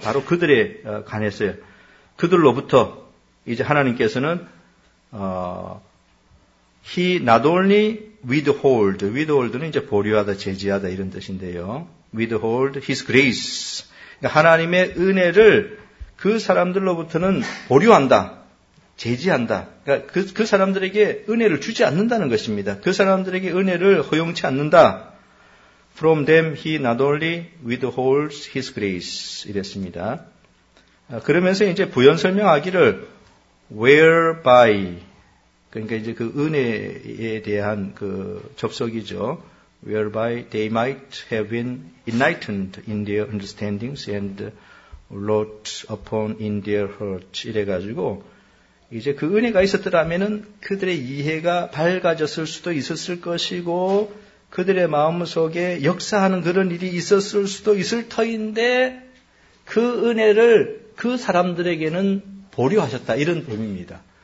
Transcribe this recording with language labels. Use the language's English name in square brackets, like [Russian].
[Korean] 바로 그들에 관해서요. 그들로부터 이제 하나님께서는 [English] He not only withhold [Korean] 는 이제 보류하다, 제지하다 이런 뜻인데요. [English] Withhold His grace. [Korean] 그러니까 하나님의 은혜를 그 사람들로부터는 보류한다, 제지한다. 그러니까 그 사람들에게 은혜를 주지 않는다는 것입니다. 그 사람들에게 은혜를 허용치 않는다. [English] From them He not only withholds His grace. [Korean] 이랬습니다. 그러면서 이제 부연 설명하기를 whereby 그러니까 이제 그 은혜에 대한 그 접속이죠. [English] whereby they might have been enlightened in their understandings and wrought upon in their hearts [Korean] 이래 가지고 이제 그 은혜가 있었더라면은 그들의 이해가 밝아졌을 수도 있었을 것이고 그들의 마음속에 역사하는 그런 일이 있었을 수도 있을 터인데 그 은혜를 그 사람들에게는 보류하셨다 이런 의미입니다.